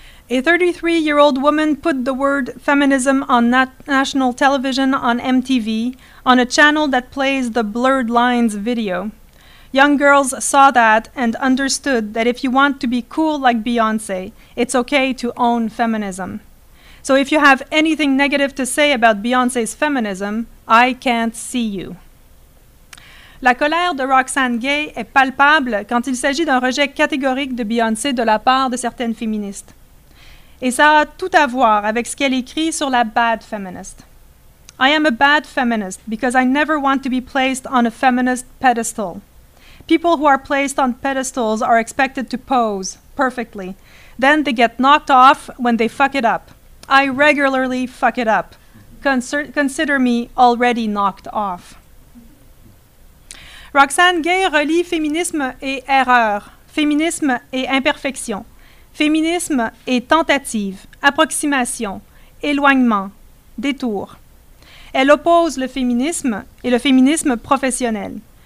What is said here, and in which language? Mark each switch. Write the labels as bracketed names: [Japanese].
[English] A 33-year-old woman put the word feminism on national television on MTV, on a channel that plays the Blurred Lines video. Young girls saw that and understood that if you want to be cool like Beyoncé, it's okay to own feminism. So if you have anything negative to say about Beyoncé's feminism, I can't see you. [French] La colère de Roxane Gay est palpable quand il s'agit d'un rejet catégorique de Beyoncé de la part de certaines féministes. Et ça a tout à voir avec ce qu'elle écrit sur la bad feminist. [English] I am a bad feminist because I never want to be placed on a feminist pedestal. People who are placed on pedestals are expected to pose perfectly. Then they get knocked off when they fuck it up. I regularly fuck it up. Consider me already knocked off. [French] Roxane Gay relie féminisme et erreur, féminisme et imperfection, féminisme et tentative, approximation, éloignement, détour. Elle oppose le féminisme et le féminisme professionnel.